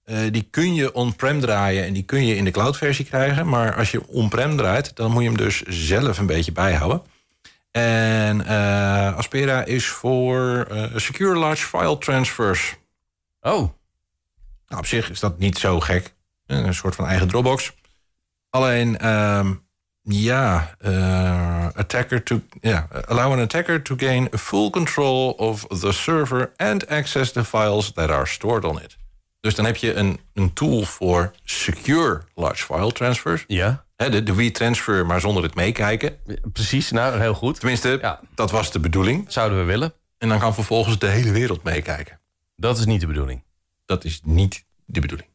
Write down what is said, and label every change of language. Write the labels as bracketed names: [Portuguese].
[Dutch] Die kun je on-prem draaien en die kun je in de cloud-versie krijgen. Maar als je on-prem draait, dan moet je hem dus zelf een beetje bijhouden. En Aspera is voor secure large file transfers. Oh. Nou, op zich is dat niet zo gek. Een soort van eigen Dropbox. [English] Alleen, allow an attacker to gain full control of the server and access the files that are stored on it. [Dutch] Dus dan heb je een tool voor secure large file transfers. Ja. De WeTransfer, maar zonder het meekijken. Precies, nou, heel goed. Tenminste, dat was de bedoeling. Zouden we willen. En dan kan vervolgens de hele wereld meekijken. Dat is niet de bedoeling. Dat is niet de bedoeling.